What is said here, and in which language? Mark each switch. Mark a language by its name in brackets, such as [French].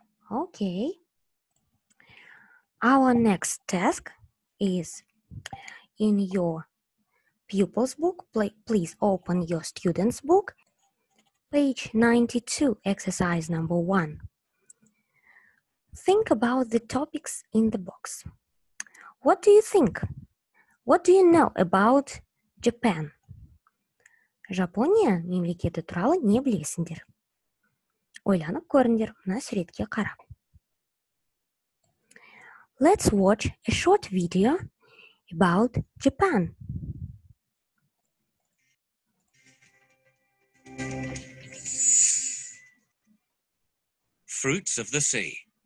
[English] Okay. Our next task is in your pupil's book. Please open your student's book. Page 92, exercise number 1. Think about the topics in the box. What do you think? What do you know about Japan? [Kazakh] Жапония мемлекеті туралы не білесіндер? Ойланып көріндер, мына суретке қарап. [English] Let's watch a short video about Japan. Fruits of the Sea.